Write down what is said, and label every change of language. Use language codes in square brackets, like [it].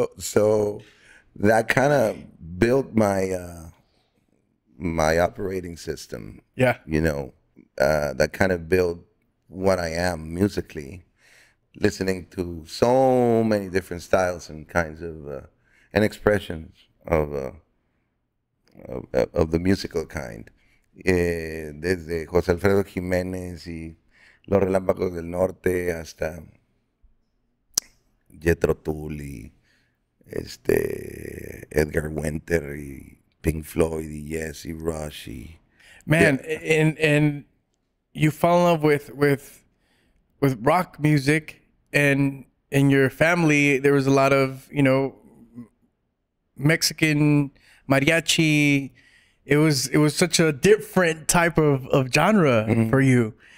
[en] So that kind of built my my operating system. Yeah. You know, that kind of built what I am musically, listening to so many different styles and kinds of and expressions of the musical kind. [es] Desde José Alfredo Jiménez y Los Relámpagos del Norte hasta Jethro Tull y Edgar Winter y Pink Floyd y Yes y Rush y, [en] man, yeah. and you fall in love with rock music, and in your family there was a lot of, you know, Mexican mariachi. It was such a different type of genre for you.